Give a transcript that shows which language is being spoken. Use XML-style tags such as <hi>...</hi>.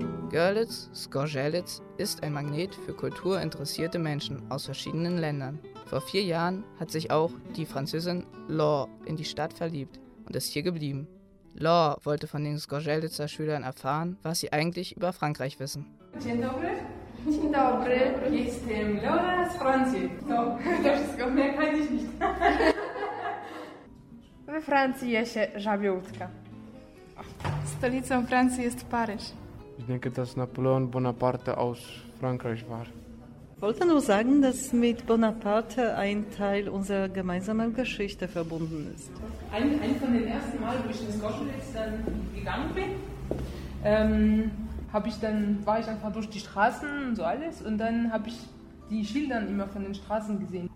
<de>Görlitz, Skorzelec, ist ein Magnet für kulturinteressierte Menschen aus verschiedenen Ländern. Vor 4 Jahren hat sich auch die Französin Laure in die Stadt verliebt und ist hier geblieben. Laure wollte von den Skorzelecer Schülern erfahren, was sie eigentlich über Frankreich wissen.</de> <pl>Dzień dobry, jestem Laura z Francji. To wszystko,</pl> <de>mehr kann ich nicht.</de> <pl>We Francji je się żabie łódka. Stolicą Francji jest Paryż.</pl> <de>Ich denke, dass Napoleon Bonaparte aus Frankreich war. Wollte nur sagen, dass mit Bonaparte ein Teil unserer gemeinsamen Geschichte verbunden ist. Ein von den ersten Mal, wo ich in Skorzelec gegangen bin, war ich einfach durch die Straßen und so alles und dann habe ich die Schilder immer von den Straßen gesehen.</de>